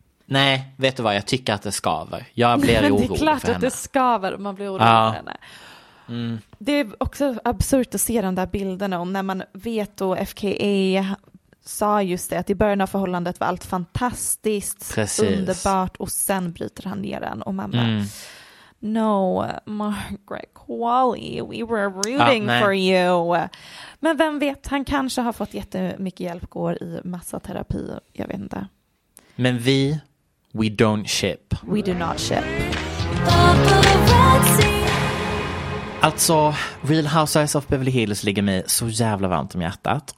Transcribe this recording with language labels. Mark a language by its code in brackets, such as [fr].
[sv] Nej, vet du vad, jag tycker att det skaver. Jag blir orolig för henne. Det är klart att det skaver om man blir orolig för henne. Det är också absurt att se de där bilderna. Och när man vet då FKA sa just det, att i början av förhållandet var allt fantastiskt. Precis. Underbart, och sen bryter han ner den. [en] Och man no, Margaret Qualley, we were rooting for you. [sv] Men vem vet, han kanske har fått jättemycket hjälp, går i massaterapi, jag vet inte. Men vi, [en] we don't ship. We do not ship. [sv] Alltså, Real Housewives of Beverly Hills ligger mig så jävla varmt om hjärtat.